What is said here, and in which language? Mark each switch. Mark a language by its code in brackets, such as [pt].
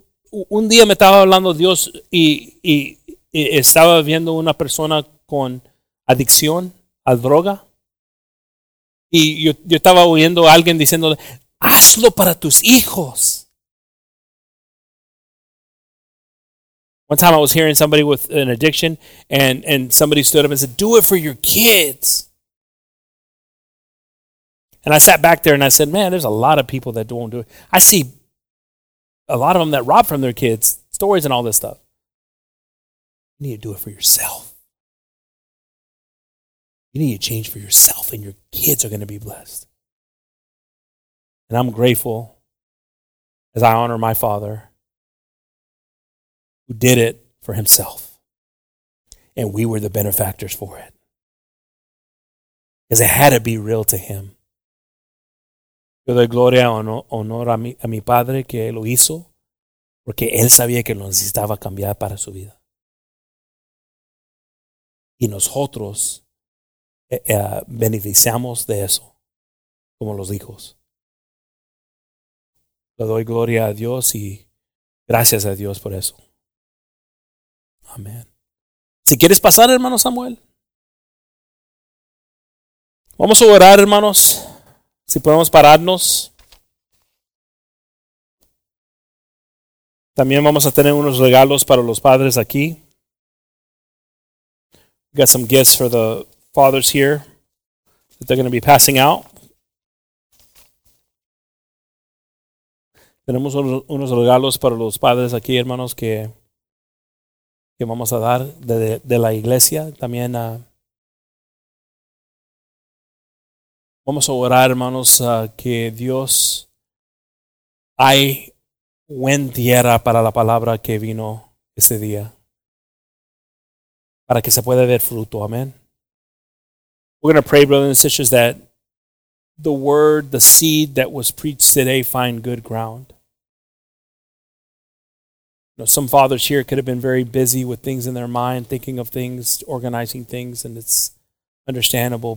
[es] Un día me estaba hablando Dios y estaba viendo una persona con adicción a droga. Y yo estaba oyendo a alguien diciéndole, hazlo para tus hijos. [en] One time I was hearing somebody with an addiction and somebody stood up and said, do it for your kids. And I sat back there and I said, man, there's a lot of people that don't do it. I see a lot of them that rob from their kids, stories and all this stuff. You need to do it for yourself. You need to change for yourself and your kids are going to be blessed. And I'm grateful as I honor my father, who did it for himself. And we were the benefactors for it. Because it had to be real to him. [es] Yo doy gloria y honor a mi padre que lo hizo. Porque él sabía que lo necesitaba cambiar para su vida. Y nosotros beneficiamos de eso. Como los hijos. Le doy gloria a Dios y gracias a Dios por eso. Amén. Si quieres pasar, hermano Samuel. Vamos a orar, hermanos. Si podemos pararnos. También vamos a tener unos regalos para los padres aquí. [en] We got some gifts for the fathers here that they're going to be passing out. [es] Tenemos unos regalos para los padres aquí, hermanos, que vamos a dar de la iglesia. También vamos a orar, hermanos, que Dios hay buena tierra para la palabra que vino este día. para que se pueda ver fruto. Amén. [en] We're going to pray, brothers and sisters, that the word, the seed that was preached today find good ground. You know, some fathers here could have been very busy with things in their mind, thinking of things, organizing things, and it's understandable.